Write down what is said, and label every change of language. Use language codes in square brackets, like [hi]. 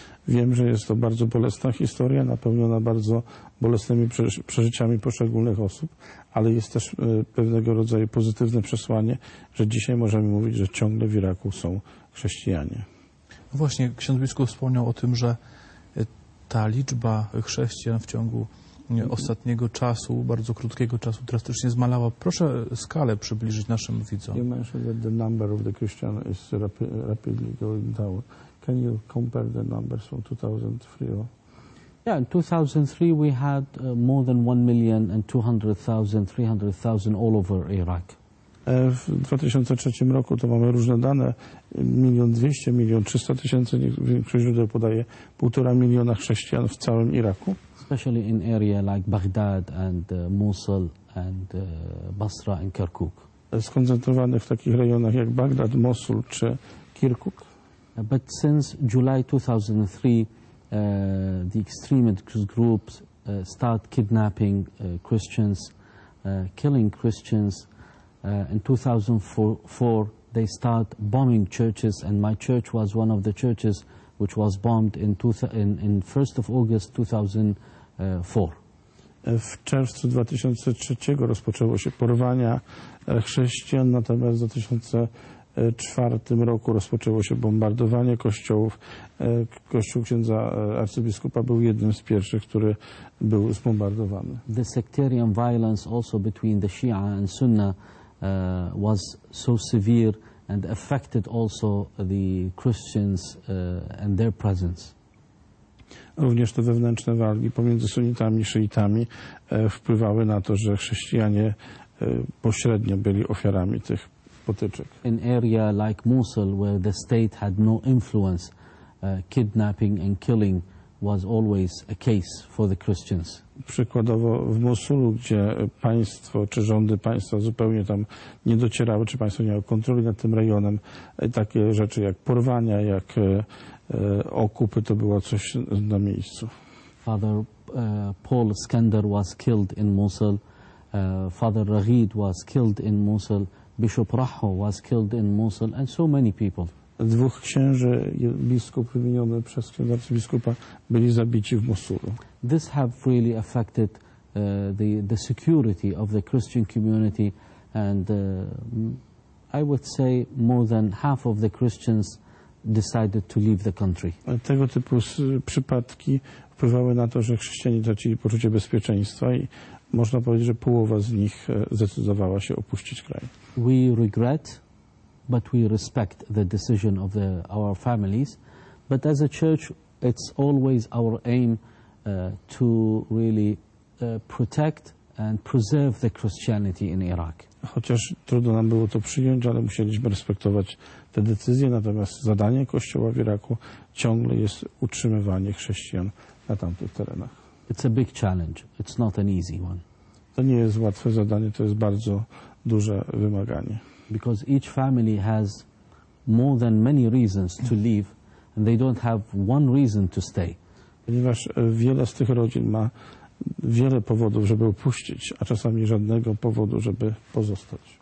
[pl] Wiem, że jest to bardzo bolesna historia, napełniona bardzo bolesnymi przeżyciami poszczególnych osób, ale jest też pewnego rodzaju pozytywne przesłanie, że dzisiaj możemy mówić, że ciągle w Iraku są chrześcijanie. No właśnie, ksiądz biskup wspomniał o tym, że ta liczba chrześcijan w ciągu ostatniego czasu, bardzo krótkiego czasu, drastycznie zmalała. Proszę skalę przybliżyć naszym widzom. [en] You mentioned that the number of the Christians is rapidly going down. Can you compare the numbers from 2003? Yeah, in 2003 we had more than 1,200,000, 300,000 all over Iraq. [pl] W 2003 roku to mamy różne dane, 1,200,000, 1,300,000, większość źródeł podaje 1,5 miliona chrześcijan w całym Iraku. [en] Especially in area like Baghdad and Mosul and Basra and Kirkuk. [pl] Skoncentrowany w takich rejonach jak Baghdad, Mosul czy Kirkuk. [en] But since July 2003, the extremist groups start kidnapping Christians, killing Christians. In 2004, they start bombing churches, and my church was one of the churches which was bombed in 1st of August 2004. [pl] W czerwcu 2003 rozpoczęło się porwania chrześcijan, natomiast w 2004 roku rozpoczęło się bombardowanie kościołów. Kościół księdza arcybiskupa był jednym z pierwszych, który był zbombardowany. [en] The sectarian violence also between the Shia and Sunna was so severe and affected also the Christians and their presence. [pl] Również te wewnętrzne walki pomiędzy sunnitami i szyitami wpływały na to, że chrześcijanie pośrednio byli ofiarami tych potyczek. [en] In area like Mosul, where the state had no influence, kidnapping and killing was always a case for the Christians. [pl] Przykładowo w Mosulu, gdzie państwo czy rządy państwa zupełnie tam nie docierały, czy państwo nie miało kontroli nad tym rejonem, takie rzeczy jak porwania, jak okupy, to było coś na miejscu. [en] Father Paul Skender was killed in Mosul Father Raghid was killed in Mosul, Bishop Raho was killed in Mosul, and so many people. [pl] Dwóch księży, biskup wymieniony przez księdza arcybiskupa, byli zabici w Mosulu. [en] This have really affected the security of the Christian community, and I would say more than half of the Christians decided to leave the country. [pl] Tego typu przypadki wpływały na to, że chrześcijanie tracili poczucie bezpieczeństwa i można powiedzieć, że połowa z nich zdecydowała się opuścić kraj. [en] We regret, but we respect the decision of the, our families, but as a church it's always our aim to really protect and preserve the Christianity in Iraq. [pl] Chociaż trudno nam było to przyjąć, ale musieliśmy respektować te decyzje, natomiast zadanie Kościoła w Iraku ciągle jest utrzymywanie chrześcijan na tamtych terenach. [en] It's a big challenge. It's not an easy one. [pl] To nie jest łatwe zadanie, to jest bardzo duże wymaganie. [en] Because each family has more than many reasons to leave and they don't have one reason to stay. [pl] Ponieważ wiele z tych rodzin ma wiele powodów, żeby opuścić, a czasami żadnego powodu, żeby pozostać.